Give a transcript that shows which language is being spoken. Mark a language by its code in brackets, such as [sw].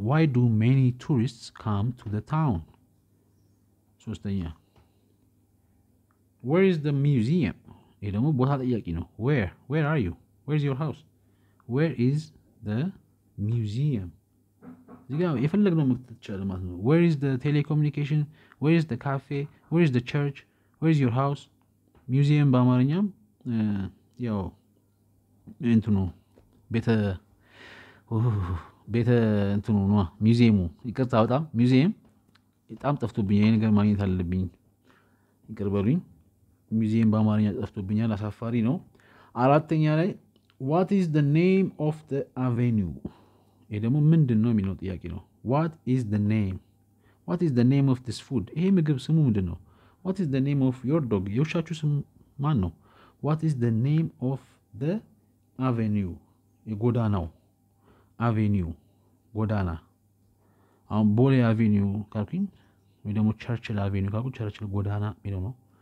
[en] Why do many tourists come to the town? ሶስተኛ Where is the museum? [am] ይሄ ደግሞ ቦታ ጠያቂ ነው. [en] Where are you? Where is your house? Where is the museum? [am] እዚጋ የፈለግነው መክተቻ ለማለት ነው. [en] Where is the telecommunication? Where is the cafe? Where is the church? Where is your house? [am] Museum በአማርኛም ያው እንትኑ ቤተ እንትኑ ነው. ሙዚየሙ ይቅርታ በጣም ሙዚየም ጣም ጠፍቶብኝ ይሄ ነገር ማግኘት አለብኝ ይቅርበሉኝ ሙዚየም በአማርኛ ጠፍቶብኛል አሳፋሪ ነው አራተኛ ላይ [en] what is the name of the avenue [am] ይሄ ደግሞ ምንድን ነው የሚለው ጥያቄ ነው [en] what is the name of this food [am] ይሄ ምግብ ስሙ ምንድን ነው [en] what is the name of your dog [am] የውሻችሁ ስም ማን ነው [en] what is the name of the avenue [am] የጎዳናው avenue ጎዳና አሁን ቦሌ አቬኒው ካልኩኝ ወይ ደግሞ ቸርችል አቬኒው ካልኩ ቸርችል ጎዳና የሚለው ነው